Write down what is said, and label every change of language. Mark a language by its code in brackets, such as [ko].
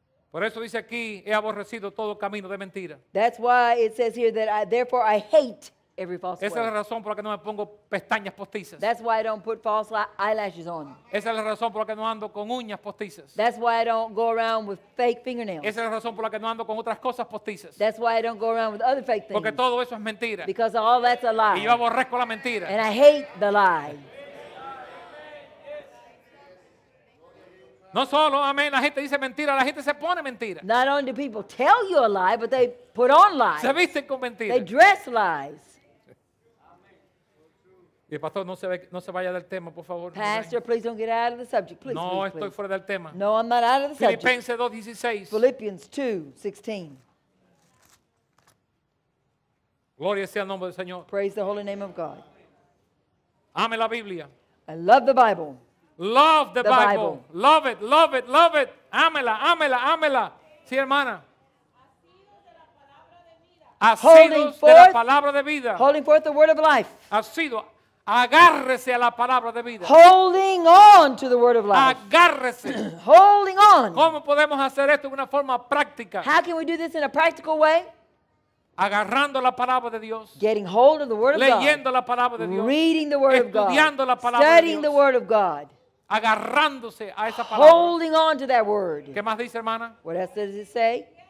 [es] Por eso dice aquí, he aborrecido todo camino de mentira. [en] That's why it says here that therefore I hate every false way. [es] Esa es la razón por la que no me pongo pestañas postizas. [en] That's why I don't put false eyelashes on. [es] Esa es la razón por la que no ando con uñas postizas. [en] That's why I don't go around with fake fingernails. [es] Esa es la razón por la que no ando con otras cosas postizas. [en] That's why I don't go around with other fake things. [es] Porque todo eso es mentira. [en] Because all that's a lie. [es] Y yo aborrezco la mentira. [en] And I hate the lie. [es] No solo, amén, la gente dice mentira, la gente se pone mentira. [en] Not only do people tell you a lie, but they put on lies. [es] Se visten con mentiras. [en] They dress lies. [es] Y el pastor, no se vaya del tema, por favor. [en] Pastor, please don't get out of the subject. Please, [es] no, [en] please, [es] estoy [en] please. [es] Fuera del tema. [en] No, I'm not out of the subject. [es] Filipenses 2:16. [en] Philippians 2:16. [es] Gloria sea el nombre del Señor. [en] Praise the holy name of God. [es] Ame la Biblia. [en] I love the Bible. Love the Bible. Bible. Love it, love it, love it. [es] Ámela, ámela, ámela. Sí, hermana. [en] Holding forth the word of life. [es] Agárrese a la palabra de vida. [en] Holding on to the word of life. [es] Agárrese. [en] Holding on. [es] ¿Cómo podemos hacer esto de una forma práctica? [en] How can we do this in a practical way? [es] Agarrando la palabra de Dios. [en] Getting hold of the word of [es] leyendo Leyendo la palabra de Dios. [en] Reading the word of God. [es] Estudiando la palabra [en] studying [es] de Dios. [en] Studying the word of God. [es] Agarrándose a esa palabra. [en] Holding on to that word. [es] ¿Qué más dice, hermana? [en] What else does it say?